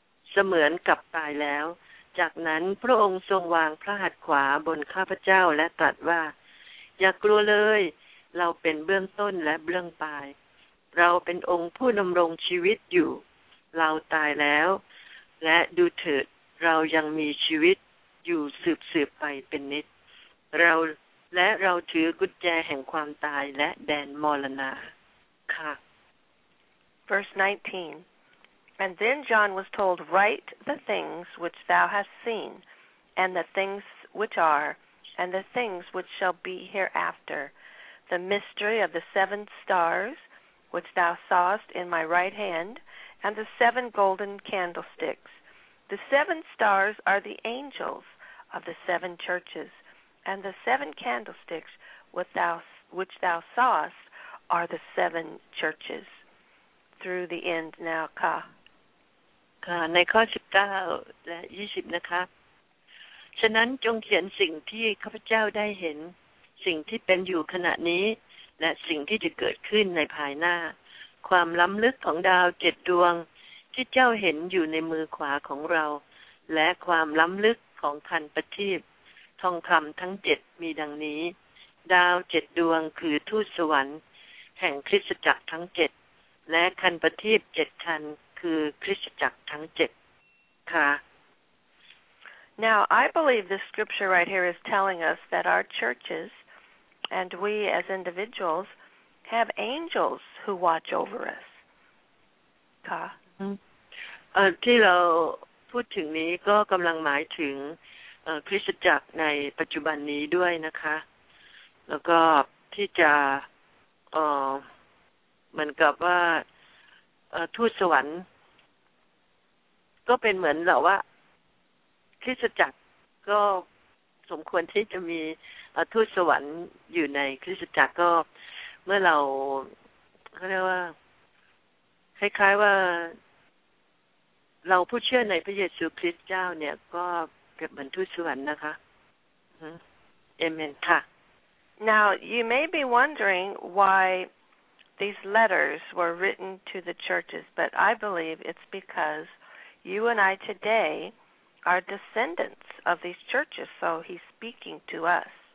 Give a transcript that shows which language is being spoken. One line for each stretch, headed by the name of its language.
Thai: เสมือนกับตายแล้วจากนั้นพระองค์ทรงวางพระหัตถ์ขวาบนข้าพเจ้าและตรัสว่าอย่ากลัวเลยเราเป็นเบื้องต้นและเบื้องปลายเราเป็นองค์ผู้ดำรงชีวิตอยู่เราตายแล้วและดูเถิดเรายังมีชีวิตอยู่สืบๆไปเป็นนิจเราและเราถือกุญแจแห่งความตายและแดนมรณะค่ะ
English: Verse 19 And then John was told, Write the things which thou hast seen, and the things which are, and the things which shall be hereafter, the mystery of the seven stars,which thou sawest in my right hand, and the seven golden candlesticks. The seven stars are the angels of the seven churches, and the seven candlesticks which thou sawest are the seven churches. Through the end now, Ka.
Thai: Ka, ในข้อ19และ20นะคะฉะนั้นจงเขียนสิ่งที่ข้าพเจ้าได้เห็นสิ่งที่เป็นอยู่ขณะนี้และสิ่งที่จะเกิดขึ้นในภายหน้าความล้ำลึกของดาว7ดวงที่เจ้าเห็นอยู่ในมือขวาของเราและความล้ำลึกของคันประทีปทองคำทั้ง7มีดังนี้ ดาว7ดวงคือทูตสวรรค์แห่งคริสตจักรทั้ง7และคันประทีป7คันคือคริสตจักรทั้ง7ค่ะ
English: Now I believe this scripture right here is telling us that our churchesAnd we as individuals have angels who watch over us. Ka.
Thai: ที่เราพูดถึงนี้ก็กำลังหมายถึงคริสตจักรในปัจจุบันนี้ด้วยนะคะแล้วก็ที่จะ เหมือนกับว่าทูตสวรรค์ก็เป็นเหมือนเราว่าคริสตจักรก็สมควรที่จะมีทูตสวรรค์อยู่ในคริสตจักรก็เมื่อเราเขาเรียกว่าคล้ายๆว่าเราผู้เชื่อในพระเยซูคริสต์เจ้าเนี่ยก็เปรียบเหมือนทูตสวรรค์นะคะเอเมนค่ะ
English: Now you may be wondering why these letters were written to the churches, but I believe it's because you and I today are descendants of these churches, so he's speaking to us.